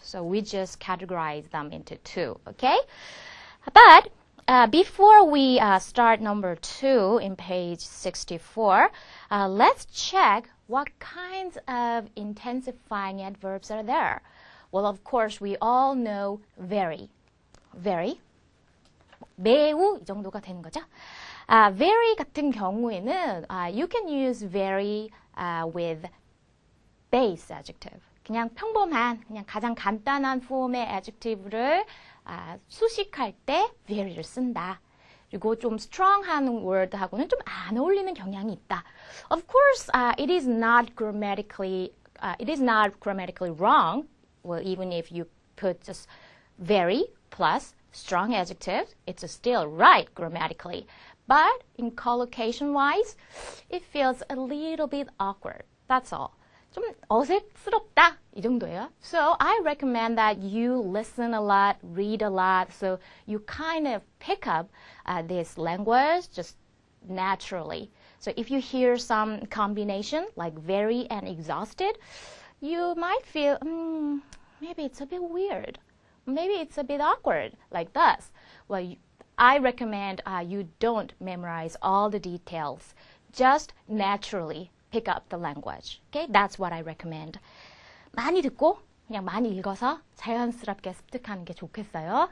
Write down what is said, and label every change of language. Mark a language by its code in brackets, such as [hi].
[en] So we just categorize them into two, okay? But before we start number two in page 64, let's check what kinds of intensifying adverbs are there. Well, of course, we all know very, very. [ko] 매우 이 정도가 되는 거죠. [en] Very [ko] 같은 경우에는 [en] you can use very with base adjective. [ko] 그냥 평범한, 그냥 가장 간단한 form의 adjective를 수식할 때 very를 쓴다. 그리고 좀 strong한 word하고는 좀 안 어울리는 경향이 있다. [en] Of course, it is not grammatically wrong. Well, even if you put just very plus strong adjectives, it's still right grammatically. But in collocation-wise, it feels a little bit awkward. That's all. [ko] 좀 어색스럽다, 이 정도예요. [en] So I recommend that you listen a lot, read a lot, so you kind of pick up this language just naturally. So if you hear some combination, like very and exhausted, you might feel, maybe it's a bit weird. Maybe it's a bit awkward, like this. Well, I recommend you don't memorize all the details. Just naturally pick up the language. Okay, that's what I recommend. [ko] 많이 듣고, 그냥 많이 읽어서 자연스럽게 습득하는 게 좋겠어요.